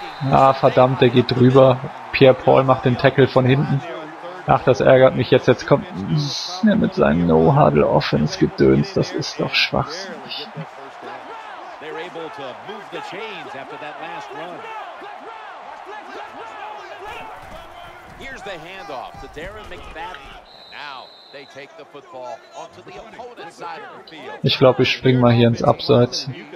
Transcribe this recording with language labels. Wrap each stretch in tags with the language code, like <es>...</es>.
<de>Ah, verdammt, der geht drüber. Pierre Paul macht den Tackle von hinten. Ach, das ärgert mich jetzt. Jetzt kommt er mit seinem No-Huddle-Offense-Gedöns. Das ist doch schwachsinnig.</de> <en>They're able to move the chains after that last run. Here's the handoff to Darren McFadden. Now they take the football onto the opponent's side of the field.</en> <de>Ich glaube, ich spring mal hier ins Abseits.</de>